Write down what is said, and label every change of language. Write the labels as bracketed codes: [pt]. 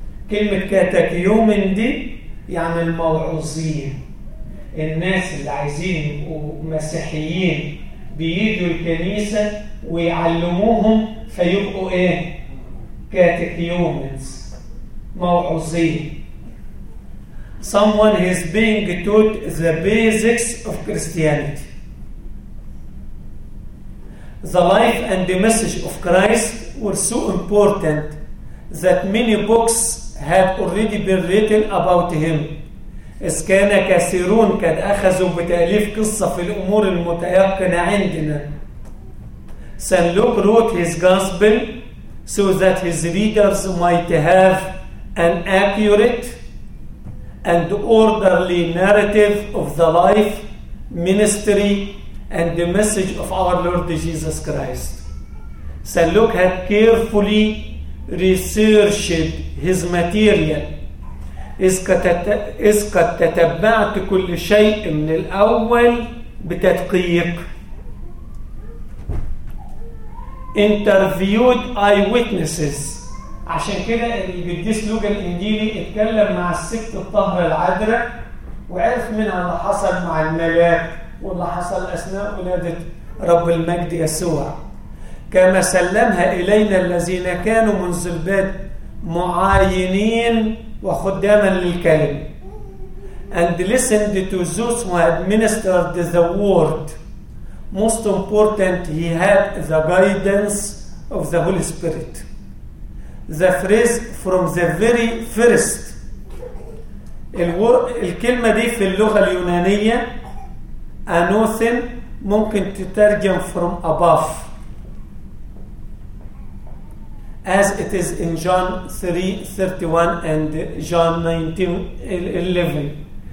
[ar] كلمة catechumen دي يعني الموعوظين، الناس اللي عايزين ومسيحيين بيجوا الكنيسة ويعلموهم فيبقوا ايه؟ كاتيكيومنز، موعوظين. [en] Someone is being taught the basics of Christianity. The life and the message of Christ were so important that many books have already been written about him. [ar] إذ كان كثيرون قد أخذوا بتأليف قصة في الأمور المتيقنة عندنا. [en] Saint Luke wrote his gospel so that his readers might have an accurate and orderly narrative of the life, ministry, and the message of our Lord Jesus Christ. Saint Luke had carefully researched his material. [ar] إذ قد تتبعت كل شيء من الأول بتدقيق. [en] Interviewed eyewitnesses. [ar] عشان كده القديس لوقا الإنجيلي اتكلم مع الست الطاهرة العذراء وعرف منها اللي حصل مع الملاك واللي حصل أثناء ولادة رب المجد يسوع. كما سلمها إلينا الذين كانوا منذ البدء معاينين وخداما للكلم. [en] And listened to those who administered the word. Most important, he had the guidance of the Holy Spirit. The phrase from the very first. [ar] الكلمة دي في اللغة اليونانية [en] anothen ممكن تترجم from above as it is in John 3:31 and John 19:11.